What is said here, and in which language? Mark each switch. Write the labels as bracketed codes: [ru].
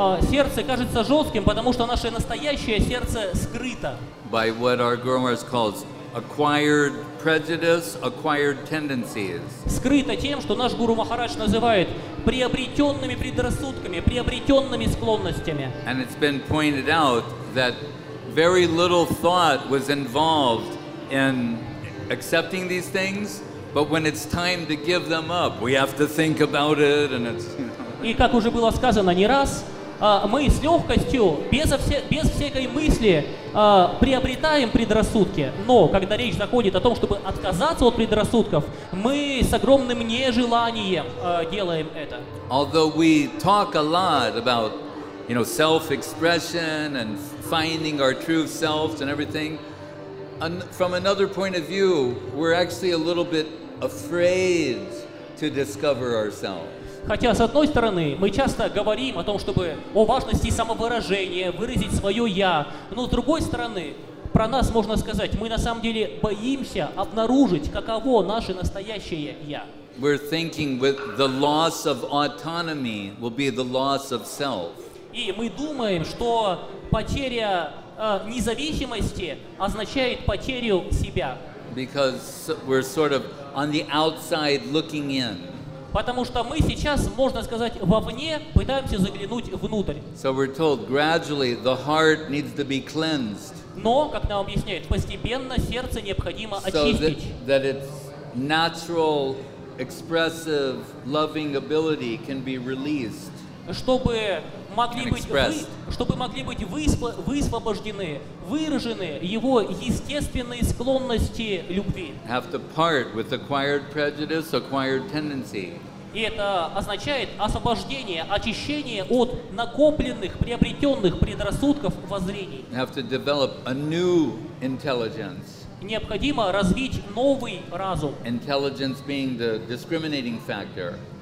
[ru] Сердце кажется жестким, потому что наше настоящее сердце скрыто. [en] By what our Guru Maharaj calls acquired prejudice, acquired tendencies. [ru] Скрыто тем, что наш Гуру Махарадж называет приобретенными предрассудками, приобретенными склонностями. [en] And it's been pointed out that very little thought was involved in accepting these things, but when it's time to give them up, we have to think about it, and it's, you know. [ru] И как уже было сказано не раз, мы с легкостью, без всякой мысли, приобретаем предрассудки. Но когда речь заходит о том, чтобы отказаться от предрассудков, мы с огромным нежеланием делаем это. [en] Although we talk a lot about, you know, self-expression and finding our true selves and everything, and from another point of view, we're actually a little bit afraid to discover ourselves. [ru] Хотя, с одной стороны, мы часто говорим о том, чтобы о важности самовыражения, выразить свое «я», но, с другой стороны, про нас можно сказать, мы на самом деле боимся обнаружить, каково наше настоящее «я». [en] We're thinking with the loss of autonomy will be the loss of self. [ru] И мы думаем, что потеря независимости означает потерю себя. [en] Because we're sort of on the outside looking in. [ru] Потому что мы сейчас, можно сказать, вовне пытаемся заглянуть внутрь. [en] So we're told, gradually the heart needs to be cleansed. [ru] Но, как нам объясняют, постепенно сердце необходимо [en] so [ru] очистить. [en] That its natural, expressive, loving ability can be released. [ru] Чтобы могли быть высвобождены, выражены его естественные склонности любви. [en] Have to part with acquired prejudice, acquired tendency. [ru] И это означает освобождение, очищение от накопленных, приобретенных предрассудков, воззрений. [en] Have to develop a new intelligence. [ru] Необходимо развить новый разум. [en] Intelligence being the discriminating factor.